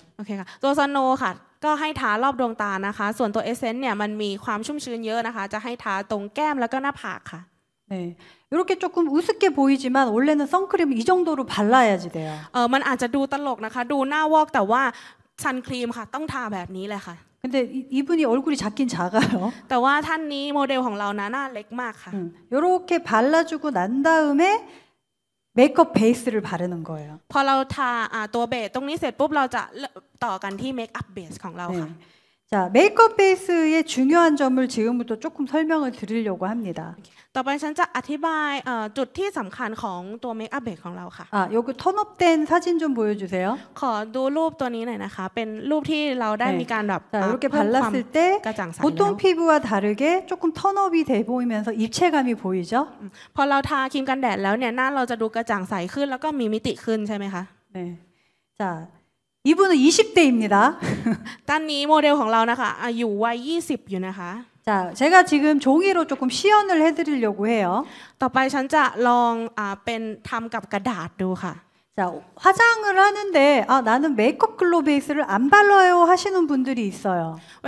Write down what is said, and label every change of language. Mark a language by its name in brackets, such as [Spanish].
[Thai] โอเคค่ะตัวสโนว์ค่ะก็ให้ทารอบดวงตานะคะส่วนตัวเอเซนส์เนี่ยมันมีความชุ่มชื้นเยอะนะคะจะให้ทาตรงแก้มแล้วก็หน้าผากค่ะ [Korean] 네이렇게조금우습게보이지만원래는선크림이정도로발라야지돼요 [Thai] มันอาจจะดูตลกนะคะดูหน้าวอกแต่ว่าซันครีมค่ะต้องทาแบบนี้เลยค่ะ [Korean] 근데 이분이얼굴이작긴작아요 [Thai] แต่ว่าท่านนี้โมเดลของเราน่าเล็กมากค่ะ [Korean] 이렇게발라주고난다음에메이크업베이스를바르는거예요 [Thai] พอเราทาตัวเบสตรงนี้เสร็จปุ๊บเราจะต่อกันที่เมคอัพเบสของเราค่ะ [Korean] 자, 메이크업 베이스의 중요한 점을 지금부터 조금 설명을 드리려고 합니다. 또번 [Thai] ฉันจะอธิบายจุดที่สำคัญของตัวเมคอัพเบสของเราค่ะ [Korean] 아, 여기 턴업된 사진 좀 보여주세요. [Thai] ขอดูรูปตัวนี้หน่อยนะคะเป็นรูปที่เราได้มีการแบบ [Korean] 자, 이렇게 발랐을 때 보통 피부와 다르게 조금 턴업이 돼 보이면서 입체감이 보이죠? [Thai] พอเราทาครีมกันแดดแล้วเนี่ยหน้าเราจะดูกระจ่างใสขึ้นแล้วก็มีมิติขึ้นใช่ไหมคะ [Korean] 네. 자, 이분은 20대입니다. 딴니모델 [Thai] ของเรานะคะอายุวัย20อยู่นะคะ [Korean] 자, 제가 지금 종이로 조금 시연을 해드리려고 해요. [Thai] 또ไปฉันจะลองเป็นทำกับกระดาษดูค่ะ [Korean] 자, 화장을 하는데 아, 나는 메이크업 글로 베이스를 안 발라요 하시는 분들이 있어요.